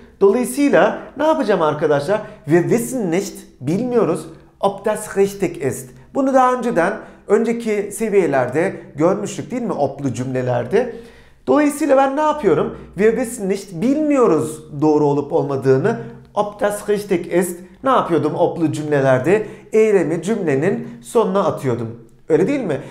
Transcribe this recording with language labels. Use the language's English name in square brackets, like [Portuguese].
[Turkish] Dolayısıyla ne yapacağım arkadaşlar? [German] Wir wissen nicht, [Turkish] bilmiyoruz, [German] ob das richtig ist. [Turkish] Bunu daha önceki seviyelerde görmüştük değil mi? Oblu cümlelerde. Dolayısıyla ben ne yapıyorum? [German] Wir wissen nicht, [Turkish] bilmiyoruz doğru olup olmadığını. [German] Ob das richtig ist. [Turkish] Ne yapıyordum oblu cümlelerde? Eylemi cümlenin sonuna atıyordum. Öyle değil mi?